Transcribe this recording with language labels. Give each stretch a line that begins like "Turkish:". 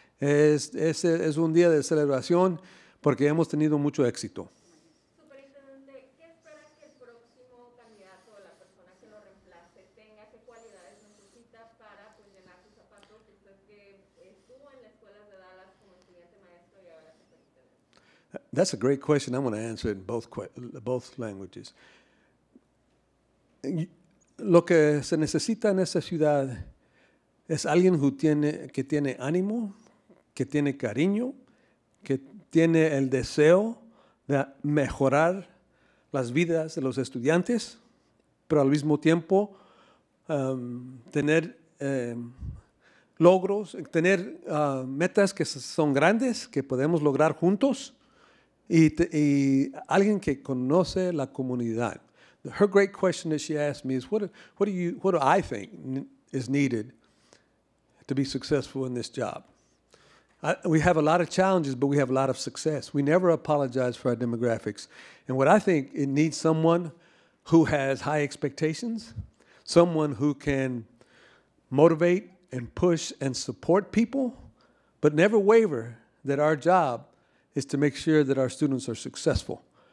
Spanish: Es un día de celebración porque hemos tenido mucho éxito. Superintendente, ¿qué espera que el próximo candidato o la persona que lo reemplace tenga? ¿Qué cualidades necesita para llenar sus zapatos después que estuvo en la escuela de Dallas como estudiante maestro y ahora superintendente?
English: That's a great question. I'm going to answer it in both languages.
Spanish: Lo que se necesita en esa ciudad es alguien que tiene ánimo, que tiene cariño, que tiene el deseo de mejorar las vidas de los estudiantes, pero al mismo tiempo tener metas que son grandes, que podemos lograr juntos, y alguien que conoce la comunidad.
English: Her great question that she asked me is, what do I think is needed to be successful in this job? We have a lot of challenges, but we have a lot of success. We never apologize for our demographics. And what I think, it needs someone who has high expectations, someone who can motivate and push and support people, but never waver that our job is to make sure that our students are successful.